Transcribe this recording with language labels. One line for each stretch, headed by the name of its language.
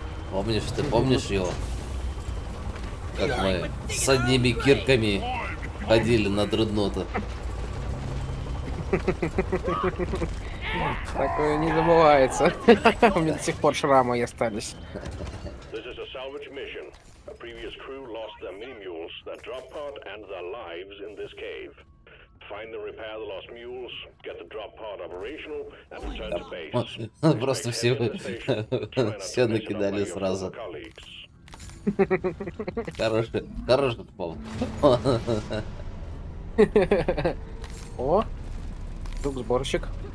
Russian: Помнишь, ты помнишь его? Как мы с одними кирками ходили на дредноута. Такое не забывается. У меня до сих пор шрамы остались.
English: This is a salvage mission. A previous crew lost their mini mules, their drop pod and their lives in this cave. Find the repair the lost mules, get the drop pod operational and return to base.
Russian: Просто все все накидали сразу. Хороший, хороший повод. О, тут сборщик.